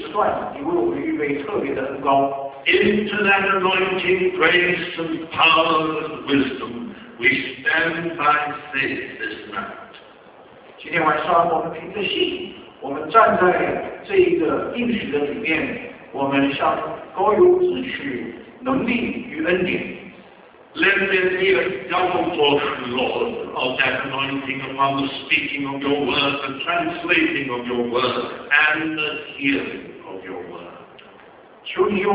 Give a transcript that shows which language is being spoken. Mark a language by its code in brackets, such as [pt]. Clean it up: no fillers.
[zh] 我们实在感谢你，为了这个时段，你为我们预备特别的恩膏。 [en] Into that anointing, grace and power and wisdom, we stand by faith this night. [zh] 今天晚上我们凭着信，我们站在这个应许的里面。 [en] Let there be a double portion, Lord, of that anointing upon the speaking of your word, the translating of your word, and the hearing of your word.